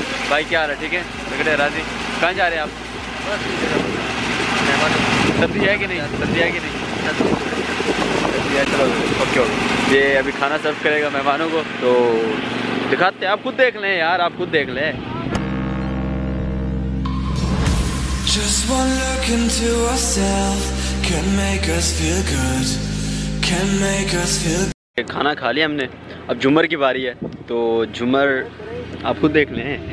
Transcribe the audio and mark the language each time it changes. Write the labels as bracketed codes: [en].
[hi] भाई क्या हाल है? ठीक है, बिगड़े राजी। कहाँ जा रहे हैं आप? सब्जी है कि नहीं? सब्जी है कि नहीं? सब्जी है। चलो ओके ओके, ये अभी खाना सर्व करेगा मेहमानों को, तो दिखाते हैं, आप खुद देख लें यार, आप खुद देख लें। [en] Just one look into ourselves can make us feel good, can make us feel good. [hi] खाना खा लिया हमने, अब झूमर की बारी है, तो झूमर आप खुद देख लें।